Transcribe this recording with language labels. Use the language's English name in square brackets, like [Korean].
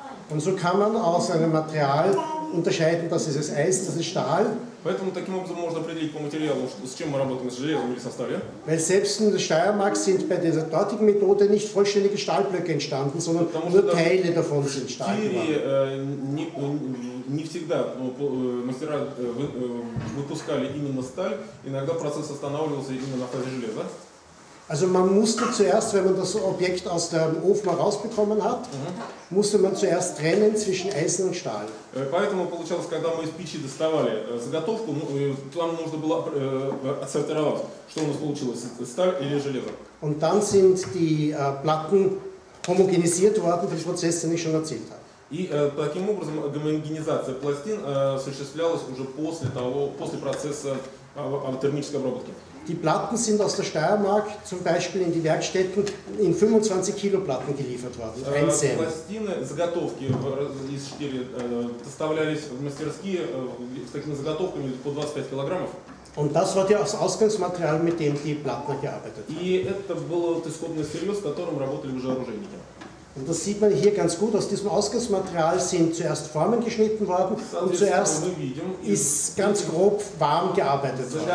[German] Und so kann man aus einem Material unterscheiden, das ist Eis, das ist Stahl. [Russian] Поэтому таким образом можно определить по материалу, с чем мы работаем, с железом или со сталью. [German] Weil selbst in der Steiermark sind bei dieser dortigen Methode nicht vollständige Stahlblöcke entstanden, sondern nur Teile davon sind Stahl geworden. [Russian] Не всегда мастера выпускали именно сталь, иногда процесс останавливался именно на фазе железа. [German] Also man musste zuerst, wenn man das Objekt aus dem Ofen herausbekommen hat, musste man zuerst trennen zwischen Eisen und Stahl. [Russian] Поэтому получалось, когда мы из печи доставали заготовку, там нужно было отсортировать, что у нас получилось, сталь или железо. [German] Und dann sind die Platten homogenisiert worden, den Prozess, den ich schon erzählt habe. [Russian] И таким образом гомогенизация пластин осуществлялась уже после того, после процесса термической обработки. [German] Die Platten sind aus der Steiermark zum Beispiel in die Werkstätten in 25 Kilo Platten geliefert worden, einzeln. [Russian] Пластины, заготовки из Штири, доставлялись в мастерские с такими заготовками по 25 килограммов. [German] Und das war das Ausgangsmaterial, mit dem die Platten gearbeitet haben. [Russian] И это было исходное сырье, с которым работали уже оружейники. [German] Und das sieht man hier ganz gut, aus diesem Ausgangsmaterial sind zuerst Formen geschnitten worden und zuerst ist ganz grob warm gearbeitet